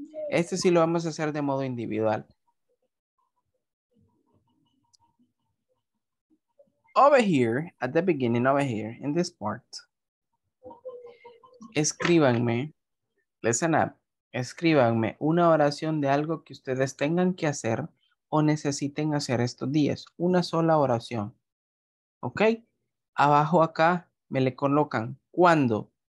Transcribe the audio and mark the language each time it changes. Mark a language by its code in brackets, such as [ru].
[es] Este sí lo vamos a hacer de modo individual. [en] Over here, at the beginning, over here, in this part. [es] Escríbanme, [en] listen up, [es] escríbanme una oración de algo que ustedes tengan que hacer o necesiten hacer estos días. Una sola oración. ¿Ok? Abajo acá me le colocan cuándo.